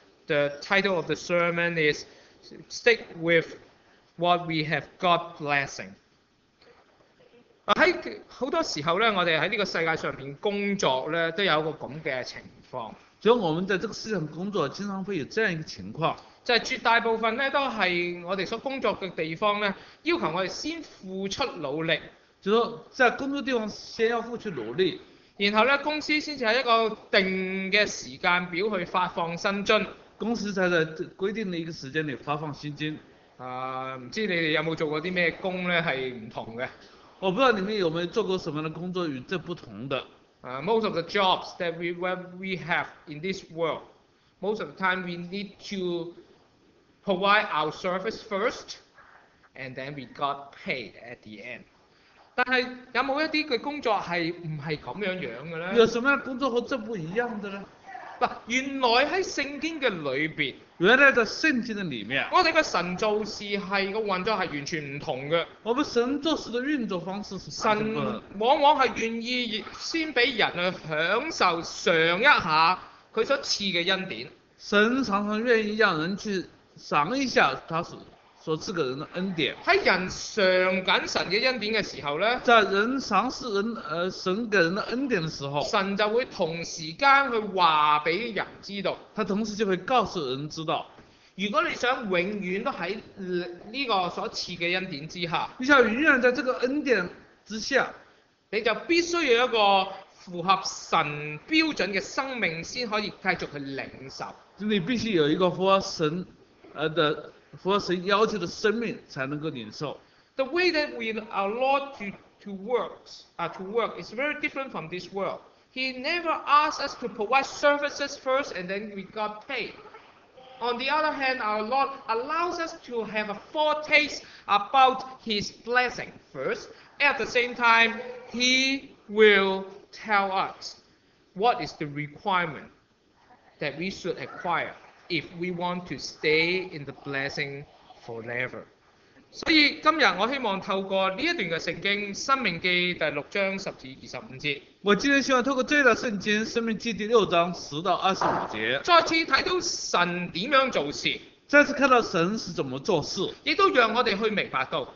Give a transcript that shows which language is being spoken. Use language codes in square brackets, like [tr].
[en] The title of the sermon is Stick with what we have got blessing. [zh] 在很多时候我们在这个世界上工作都有一个这样的情况。所以我们在这个世界上工作经常会有这样一个情况。就是绝大部分都是我们所工作的地方要求我们先付出努力。就是说在工作地方先要付出努力。然后呢公司才在一个定的时间表去发放薪津。公司才在规定的一个时间里发放薪金。不知道你们有没有做过什么工呢是不同的。我不知道你们有没有做过什么样的工作与这不同的。 [en] Most of the jobs that we have in this world, most of the time we need to provide our service first, and then we got paid at the end. [zh] 但是有没有一些工作是不是这样的呢？有什么样的工作和这不一样的呢？原来在圣经的里面，原来在圣经的里面，我们的神做事是个运作是完全不同的。我们神做事的运作方式是什么？神往往是愿意先给人去享受尝一下他所赐的恩典。神常常愿意让人去尝一下他所赐给人的恩典。在人尝紧神的恩典的时候呢，在人尝试神给人的恩典的时候，神就会同时间去告诉人知道。他同时就会告诉人知道。如果你想永远都在这个所赐的恩典之下，你想永远在这个恩典之下，你就必须有一个符合神标准的生命才可以继续去领受。你必须有一个符合神的符合神要求的生命才能够领受。 [en] The way that we allow to work is very different from this world. He never asks us to provide services first and then we got paid. On the other hand, our Lord allows us to have a foretaste about His blessing first. At the same time, He will tell us what is the requirement that we should acquire. If we want to stay in the blessing forever. [zh] 所以今天我希望透过这一段的圣经《生命记》第六章十至二十五节，我今天希望透过这段圣经《生命记》第六章十到二十五节，再次看到神怎样做事，再次看到神是怎么做事，也都让我们去明白到，